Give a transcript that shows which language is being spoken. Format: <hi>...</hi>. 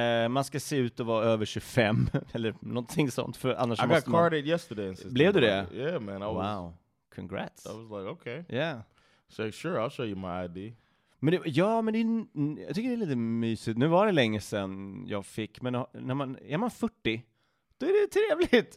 <sv>Man ska se ut att vara över 25, eller någonting sånt, för annars måste man...</sv> <en>I got carded yesterday.</en> <sv>Blev du det?</sv> <en>Yeah, man. I was, wow, congrats. I was like, okay. Yeah. So, sure, I'll show you my ID.</en> <sv>Men det, ja, men det är, jag tycker det är lite mysigt. Nu var det länge sedan jag fick, men när man är man 40, då är det trevligt.</sv>